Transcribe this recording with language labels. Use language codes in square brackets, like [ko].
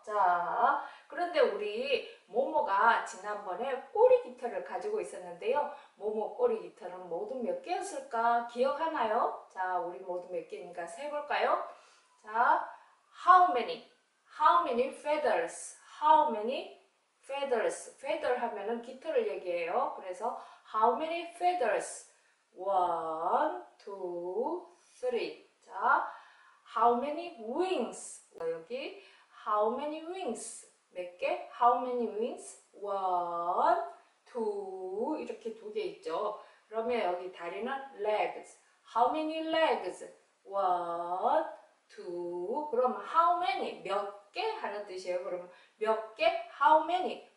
[ko] 자, 그런데 우리 모모가 지난번에 꼬리 깃털을 가지고 있었는데요. 모모 꼬리 깃털은 모두 몇 개였을까? 기억하나요? 자, 우리 모두 몇 개인가 세볼까요? [en] 자, how many? How many feathers? How many feathers? [ko] feather 하면은 깃털을 얘기해요. 그래서 [en] how many feathers? One, two, three. 자, How many wings? 여기 How many wings? [ko] 몇 개? [en] How many wings? One, two [ko] 이렇게 두개 있죠. 그러면 여기 다리는 legs. [en] How many legs? One, two. [ko] 그럼 how many? 몇개 하는 뜻이에요. 그럼 몇 개? How many?